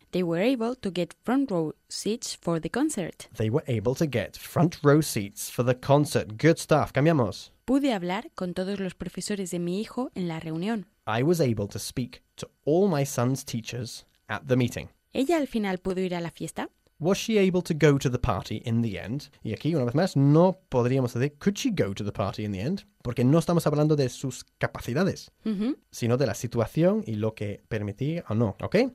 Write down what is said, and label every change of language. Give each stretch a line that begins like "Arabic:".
English: They were able to get front row seats for the concert. They were able to get front row seats for the concert. Good stuff. Cambiamos.
Spanish: Pude hablar con todos los profesores de mi hijo en la reunión.
English: I was able to speak to all my son's teachers at the meeting.
Spanish: ¿Ella al final pudo ir a la fiesta?
English: Was she able to go to the party in the end?
Spanish: Y aquí, una vez más, no podríamos decir,
English: could she go to the party in the end?
Spanish: Porque no estamos hablando de sus capacidades, mm-hmm. sino de la situación y lo que permitía o no, ¿ok?